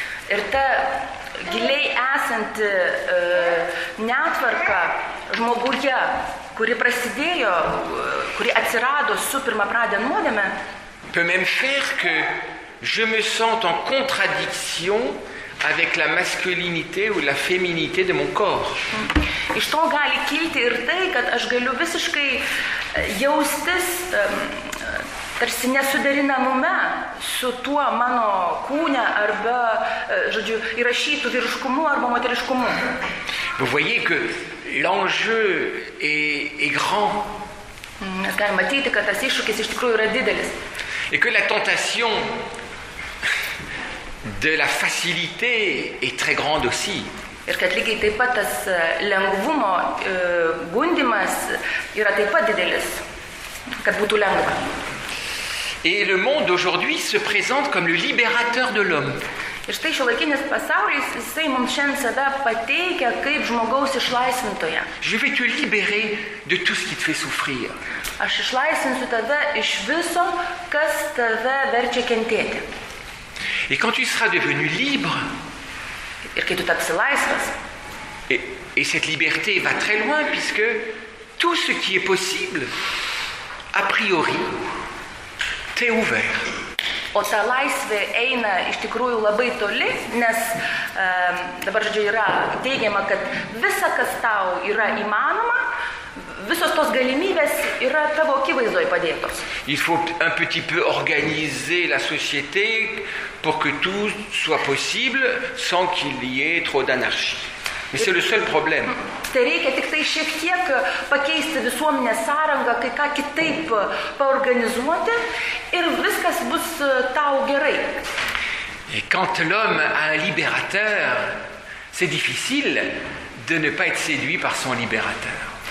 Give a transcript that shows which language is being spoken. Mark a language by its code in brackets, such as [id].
[lt] Ir ta giliai esanti netvarka žmoguje, kuri prasidėjo, kuri atsirado su pirmapradė nuodėme. [fr] Peut même faire que je me sens en contradiction avec la masculinité ou la féminité de mon corps. [lt] Iš to gali kilti ir tai, kad aš galiu visiškai jaustis tarsi nesuderinamume su tuo mano kūne arba, žodžiu, įrašytų vyriškumu arba moteriškumu. [fr] Vous voyez que l'enjeu est grand. [lt] Mes galime matyti, kad tas iššūkis iš tikrųjų yra didelis. [fr] Et que la tentation de la facilité est très grande aussi. [lt] Ir kad lygiai taip pat tas lengvumo gundimas yra taip pat didelis, kad būtų lengva. [fr] Et le monde aujourd'hui se présente comme le libérateur de l'homme. [lt] Ir štai šiuolaikinis pasaulis, jisai mums šiandien save pateikia kaip žmogaus išlaisvintoje. [fr] Je vais te libérer de tout ce qui te fait souffrir. [lt] Aš išlaisvinsiu tave iš viso, kas tave verčia kentėti. [fr] Et quand tu seras devenu libre, [lt] ir kai tu tapsi laisvas, [fr] et cette liberté va très loin, puisque tout ce qui est possible, a priori, t'es ouvert. [lt] O ta laisvė eina iš tikrųjų labai toli, nes dabar žodžiu yra teigiama, kad visa, kas tau yra įmanoma, visos tos galimybės yra tavo akivaizdoj padėtos. [fr] Il faut un petit peu organiser la société pour que tout soit possible sans qu'il y ait trop d'anarchie. Mais c'est le seul problème. [lt] Tai reikia tik tai šiek tiek pakeisti visuomenės sąrangą, kai ką kitaip paorganizuoti ir viskas bus tau gerai. [fr] Et quand l'homme a un libérateur, c'est difficile de ne pas être séduit par son libérateur.